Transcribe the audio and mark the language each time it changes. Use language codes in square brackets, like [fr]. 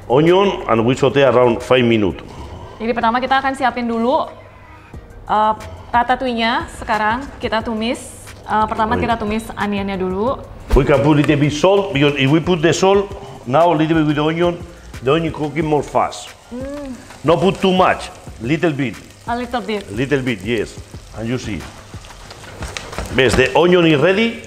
[en] Onion and we saute around 5 minutes. [id] Jadi pertama kita akan siapin dulu ratatouille-nya. Sekarang kita tumis. Pertama kita tumis [en] onion-nya [id] dulu. [en] We can put a little bit salt, because if we put the salt, now a little bit with the onion cooking more fast. Mm. Not put too much, little bit. A little bit. A little bit, yes. And you see. Yes, the onion is ready.